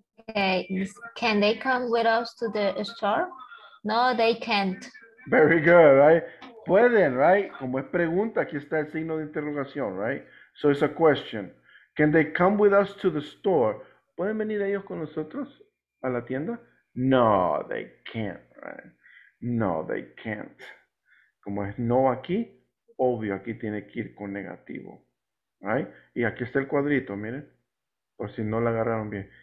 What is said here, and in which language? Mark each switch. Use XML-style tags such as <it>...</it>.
<en>Okay, can they come with us to the store? No, they can't. Very good, right? Pueden, right?</en> <es>Como es pregunta, aquí está el signo de interrogación, right?</es> <en>So it's a question. Can they come with us to the store?</en> <es>¿Pueden venir ellos con nosotros a la tienda?</es> <en>No, they can't, right? No, they can't.</en> <es>Como es no aquí, obvio, aquí tiene que ir con negativo. Right? Y aquí está el cuadrito, miren. Por si no la agarraron bien.</es>